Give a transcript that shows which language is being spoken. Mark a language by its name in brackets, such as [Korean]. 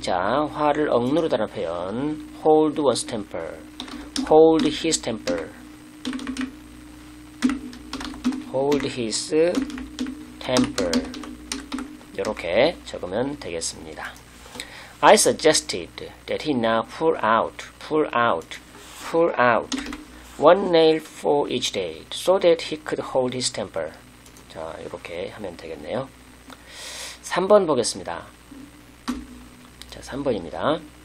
[Korean] 자, 화를 억누르다는 표현. [English] Hold one's temper. Hold his temper. Hold his temper. [Korean] 이렇게 적으면 되겠습니다. [English] I suggested that he now pull out, pull out, pull out one nail for each day so that he could hold his temper. [Korean] 자, 이렇게 하면 되겠네요. 3번 보겠습니다. 자, 3번입니다.